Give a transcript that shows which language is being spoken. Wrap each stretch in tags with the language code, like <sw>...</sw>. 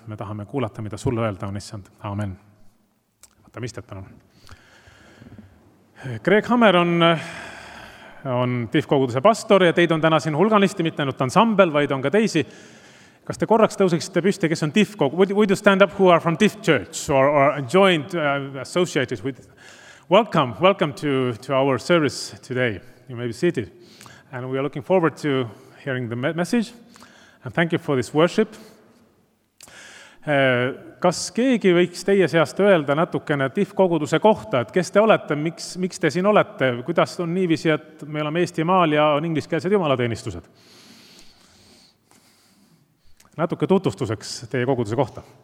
<et>Me tahame kuulata, mida sulle öelda on issand. Amen. Vaata, mis teed panu. Greg Hammer on tihkoguduse pastor ja teid on täna siin hulganisti, mitte ainult ansambel, vaid on ka teisi. Kas te korraks tõuseksite püsti, kes on tihkogu?</et> <en>Would you stand up who are from Tif Church or joined, associated with? Welcome to our service today. You may be seated. And we are looking forward to hearing the message. And thank you for this worship.</en> <et>Kas keegi võiks teie seast öelda natukene tihkoguduse kohta, et kes te olete, miks te siin olete, kuidas on niivisi, et me oleme Eesti maal ja on ingliskeelsed jumalateenistused? Natuke tutvustuseks teie koguduse kohta.</et>